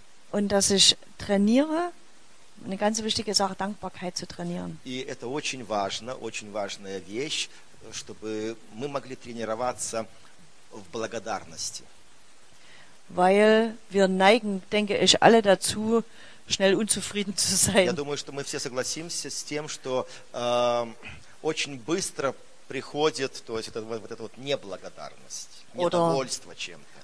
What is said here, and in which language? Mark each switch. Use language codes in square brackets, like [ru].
[de] Und dass ich trainiere, eine ganz wichtige Sache, Dankbarkeit zu trainieren. [ru] И это очень важно, очень важная вещь, чтобы мы могли тренироваться в благодарности. [de] Weil wir neigen, denke ich, alle dazu, schnell unzufrieden zu sein. [ru] Я думаю, что мы все согласимся с тем, что очень быстро приходит, то есть вот эта неблагодарность, недовольство чем-то.